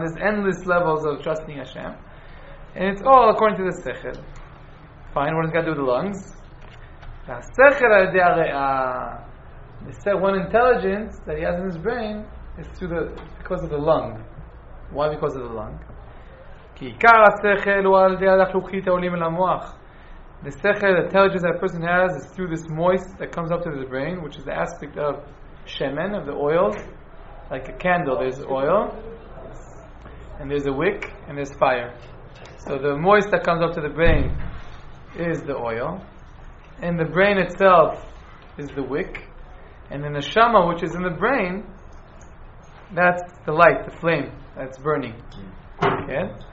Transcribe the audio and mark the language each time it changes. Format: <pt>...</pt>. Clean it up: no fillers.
<en>There's endless levels of trusting Hashem. And it's all according to the sechel. Fine, what does it got to do with the lungs? The sechel</en> <he>al yedei ha-re'ah.</he> <en>They said one intelligence that he has in his brain is through the, because of the lung. Why because of the lung?</en> <he>כי עיקר השכל הוא על ידי החלוקית העולים אל המוח.</he> <en>The sechel, the intelligence that a person has, is through this moist that comes up to the brain, which is the aspect of shemen, of the oil. Like a candle, there's oil, and there's a wick, and there's fire. So the moist that comes up to the brain is the oil, and the brain itself is the wick, and the neshama, which is in the brain, that's the light, the flame, that's burning. Okay?</en>